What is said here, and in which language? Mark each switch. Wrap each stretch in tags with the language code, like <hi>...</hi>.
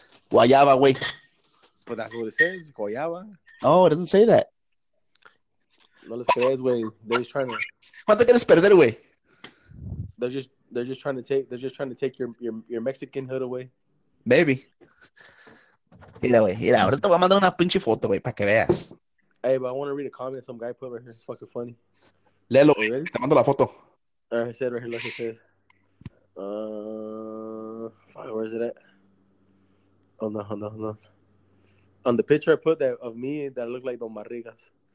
<es>Guayaba, güey.</es> <en>But that's what it says. Guayaba. Oh, it doesn't say that.</en> <es>No les crees, güey.</es> <en>They're just trying to...</en> <es>¿Cuánto quieres perder, güey?</es> <en>They're just trying to take your Mexican hood away.</en> <es>Maybe. Mira, güey. Mira, ahora te voy a mandar una pinche foto, güey, para que veas.</es> <en>Hey, but I want to read a comment some guy put right here. It's fucking funny.</en> <es>Lelo, te mando la foto.</es> <en>I said right here, like it says. Where is it at? Oh, no. On the picture I put that of me that looked like Don Barrigas.</en>